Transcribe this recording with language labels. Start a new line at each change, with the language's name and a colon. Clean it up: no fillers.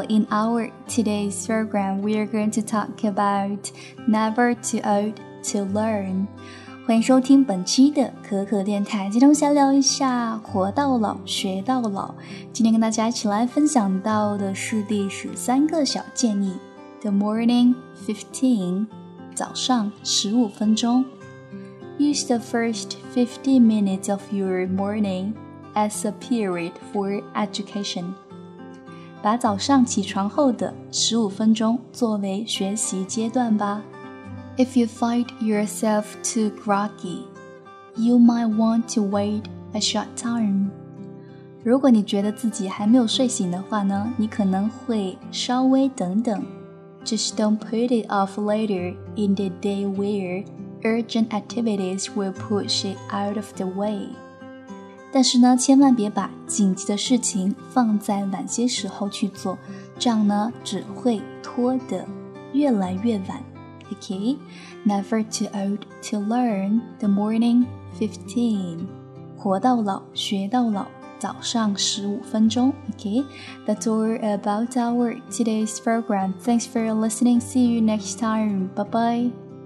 English: In our today's program, we are going to talk about Never Too Old to Learn.
Chinese: 欢迎收听本期的可可电台。今天我想聊一下活到老学到老。今天跟大家一起来分享到的是第13个小建议。
English: The morning 15,
Chinese: 早上15分钟。
English: Use the first 50 minutes of your morning. As a period for education.
Chinese: 把早上起床后的15分钟作为学习阶段吧。
English: If you find yourself too groggy, you might want to wait a short time.
Chinese: 如果你觉得自己还没有睡醒的话呢，你可能会稍微等等。
English: Just don't put it off later in the day where urgent activities will push it out of the way.
Chinese: 但是呢，千万别把紧急的事情放在晚些时候去做，这样呢，只会拖得越来越晚。
English: Okay? Never too old to learn the morning 15.
Chinese: 活到老，学到老，早上15分钟。
English: Okay? That's all about our today's program. Thanks for listening. See you next time. Bye-bye.